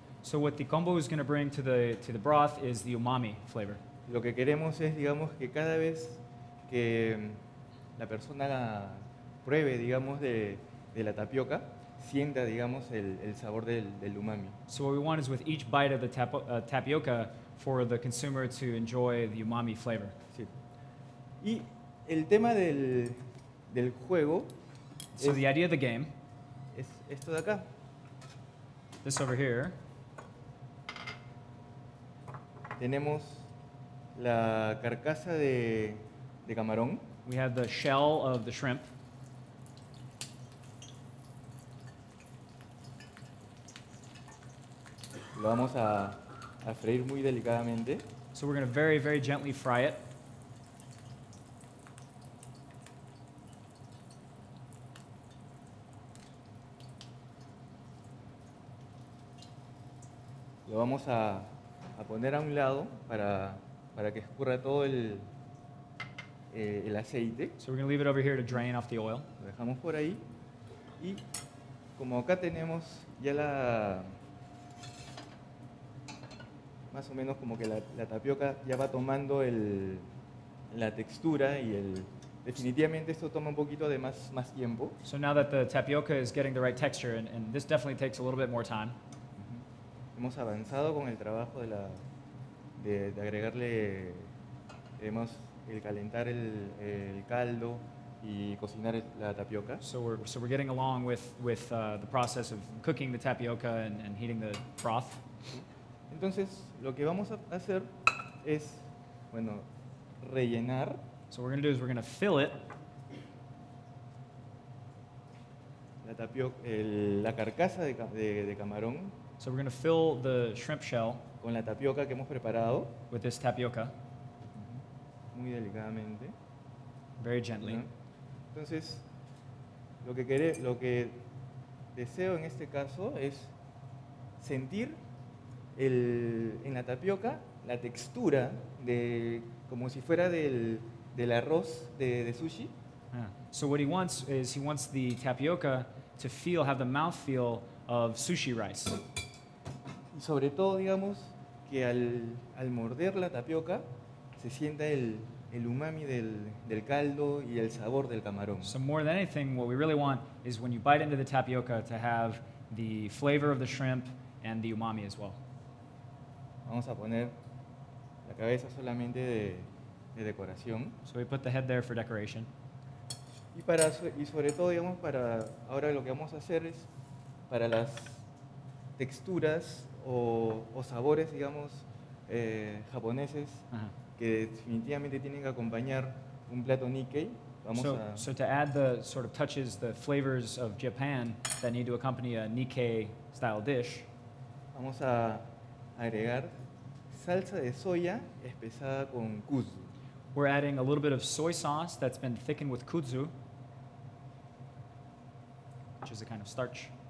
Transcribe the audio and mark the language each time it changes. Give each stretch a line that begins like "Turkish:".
English: So what the kombu is going to bring to the broth is the umami flavor.
Spanish: Lo que queremos es, digamos, que cada vez que la persona pruebe, digamos, de la tapioca, sienta, digamos, el sabor del umami.
English: So what we want is with each bite of the tapioca for the consumer to enjoy the umami flavor.
Spanish: Sí. Y el tema del juego.
English: So the idea of the game.
Spanish: Es esto de acá.
English: This over here.
Spanish: Tenemos la carcasa de camarón.
English: We have the shell of the shrimp.
Spanish: Lo vamos a freír muy delicadamente.
English: So we're going to very, very gently fry it.
Spanish: Lo vamos a poner a un lado para que escurra todo el aceite.
English: So we're going to leave it over here to drain off the oil.
Spanish: Lo dejamos por ahí. Y como acá tenemos ya la, más o menos como que la tapioca ya va tomando la textura y definitivamente esto toma un poquito de más tiempo.
English: So now that the tapioca is getting the right texture and this definitely takes a little bit more time.
Spanish: Hemos avanzado con el trabajo de agregarle, hemos el calentar el caldo y cocinar la tapioca.
English: So we're getting along with the process of cooking the tapioca and heating the broth.
Spanish: Entonces, lo que vamos a hacer es, bueno, rellenar.
English: So what we're going to do is we're going to fill it.
Spanish: La carcasa de camarón.
English: So we're going to fill the shrimp shell.
Spanish: Con la tapioca que hemos preparado.
English: With this tapioca.
Spanish: Muy delicadamente.
English: Very gently.
Spanish: ¿No? Entonces, lo que deseo en este caso es sentir en la tapioca la textura de como si fuera del arroz de sushi. Ah.
English: So what he wants is he wants the tapioca to feel, have the mouthfeel of sushi rice.
Spanish: Y sobre todo, digamos, que al morder la tapioca se sienta el umami del caldo y el sabor del camarón.
English: So more than anything, what we really want is when you bite into the tapioca to have the flavor of the shrimp and the umami as well.
Spanish: Vamos a poner la cabeza solamente de decoración.
English: So we put the head there for decoration.
Spanish: Y sobre todo, digamos, para ahora lo que vamos a hacer es para las texturas o sabores, digamos, japoneses, uh-huh, que definitivamente tienen que acompañar un plato Nikkei.
English: So to add the sort of touches, the flavors of Japan that need to accompany a Nikkei style dish.
Spanish: Vamos a agregar salsa de soya espesada con kudzu.
English: We're adding a little bit of soy sauce that's been thickened with kudzu, which is a kind of starch.